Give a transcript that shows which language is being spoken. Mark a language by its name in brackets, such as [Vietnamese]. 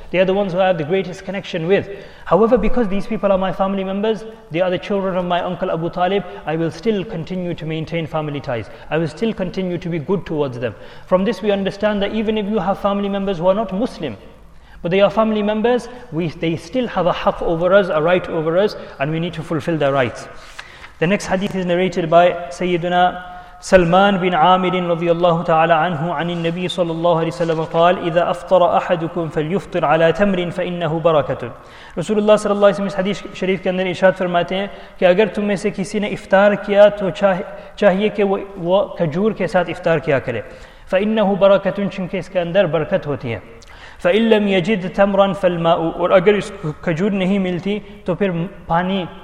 [English] They are the ones who I have the greatest connection with. However, because these people are my family members, they are the children of my uncle Abu Talib, I will still continue to maintain family ties. I will still continue to be good towards them. From this we understand that even if you have family members who are not Muslim, but they are family members, they still have a haq over us, a right over us, and we need to fulfill their rights. The next hadith is narrated by Sayyiduna [Arabic] سلمان بن عامر رضي الله تعالى عنه عن النبي صلى الله عليه وسلم قال إذا أفطر أحدكم فليفطر على تمر فإنه بركة. رسول الله صلى الله عليه وسلم [Urdu] حديث شريف كان إرشاد فرماتے ہیں کہ اگر تم میں سے کسی نے افطار کیا تو چاہیے کہ وہ کھجور کے ساتھ افطار کیا کرے. [Arabic] فإنه بركة, [Urdu] چونکہ اس کے اندر برکت ہوتی ہے. [Arabic] فإن لم يجد تمرا فالماء. [Urdu] اور اگر اس کھجور نہیں ملتی تو پھر پانی